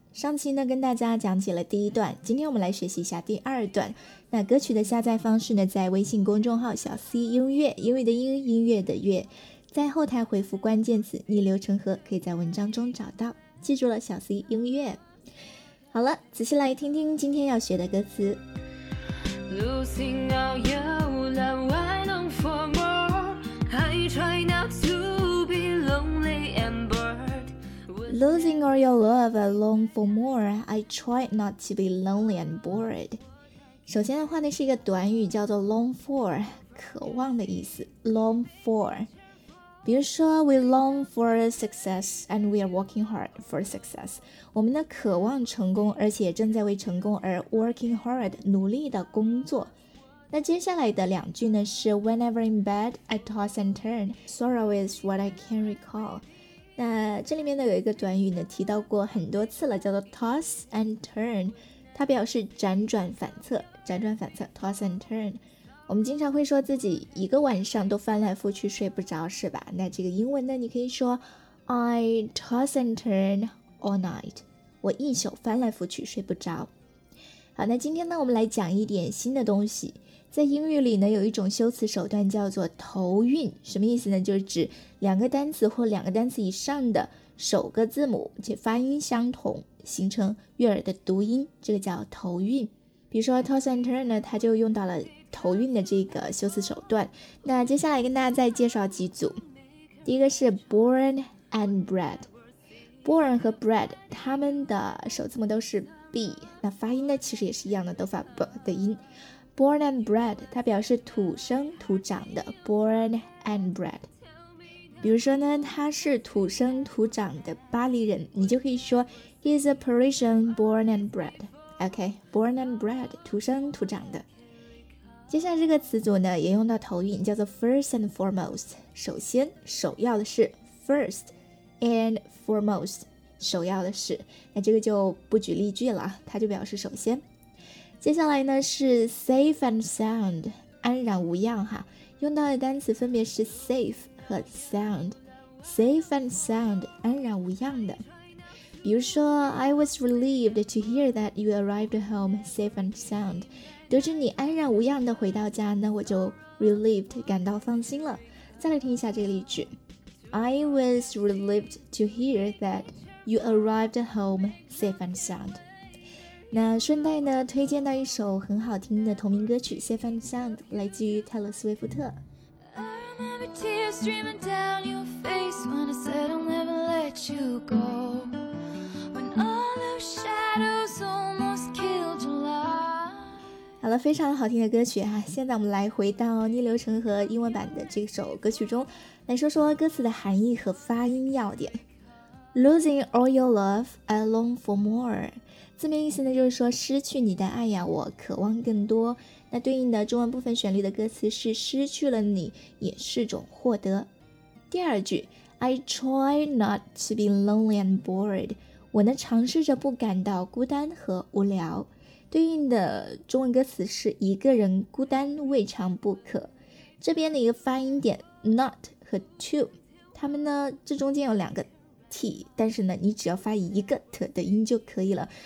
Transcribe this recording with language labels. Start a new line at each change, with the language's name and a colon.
Chinese: 上期呢跟大家讲解了第一段，今天我们来学习一下第二段。那歌曲的下载方式呢，在微信公众号小 C 音乐，英语的英，音乐的乐，在后台回复关键词逆流成河，可以在文章中找到，记住了小 C 音乐。好了，仔细来听听今天要学的歌词。
English: Losing all your love, I long for more. I try not to be lonely and bored. Losing all your love, I long for more. I try not to be lonely and bored.
Chinese: 首先的话呢，是一个短语，叫做 long for， 渴望的意思。
English: Long for，
Chinese: 比如说
English: we long for success and we are working hard for success.
Chinese: 我们呢渴望成功，而且正在为成功而
English: working hard，
Chinese: 努力的工作。那接下来的两句呢是
English: whenever in bed I toss and turn, sorrow is what I can recall.
Chinese: 那这里面呢有一个短语呢提到过很多次了，叫做 toss and turn， 它表示辗转反侧，辗转反侧 toss and turn。我们经常会说自己一个晚上都翻来覆去睡不着，是吧？那这个英文呢，你可以说
English: I toss and turn all night，
Chinese: 我一宿翻来覆去睡不着。好，那今天呢我们来讲一点新的东西。在英语里呢有一种修辞手段叫做头韵，什么意思呢？就是指两个单词或两个单词以上的首个字母且发音相同，形成悦耳的读音，这个叫头韵。比如说 toss and turn 呢，它就用到了头韵的这个修辞手段。那接下来跟大家再介绍几组。第一个是 born and bred， born 和 bred 他们的首字母都是 b， 那发音呢其实也是一样的，都发 b 的音。 born and bred 它表示土生土长的， born and bred。比如说呢他是土生土长的巴黎人，你就可以说
English: he's a Parisian born and bred。
Chinese: OK， born and bred 土生土长的。接下来这个词组呢也用到头韵，叫做 first and foremost， 首先首要的是 first and foremost， 首要的是，那这个就不举例句了，它就表示首先。接下来呢是 safe and sound， 安然无恙哈，用到的单词分别是 safe 和 sound， safe and sound， 安然无恙的。比如说
English: I was relieved to hear that you arrived home safe and sound，
Chinese: 得知你安然无恙的回到家，那我就 relieved 感到放心了。再来听一下这个例句。
English: I was relieved to hear that you arrived home safe and sound。
Chinese: 那顺带呢，推荐到一首很好听的同名歌曲 Safe and Sound， 来自于泰勒·斯威夫特。
English: I remember tears streaming down your face when I said I'll never let you go。 When all those shadows almost killed your life。
Chinese: 好了，非常好听的歌曲哈，现在我们来回到逆流成河英文版的这首歌曲中，来说说歌词的含义和发音要点。
English: Losing all your love, I long for more。
Chinese: 字面意思呢，就是说失去你的爱呀，我渴望更多。那对应的中文部分旋律的歌词是失去了你也是种获得。第二句，
English: I try not to be lonely and bored。
Chinese: 我呢尝试着不感到孤单和无聊。对应的中文歌词是一个人孤单未尝不可。这边的一个发音点 not 和 to， 他们呢这中间有两个T， 但是呢你只要发一个 T 的音就可以了。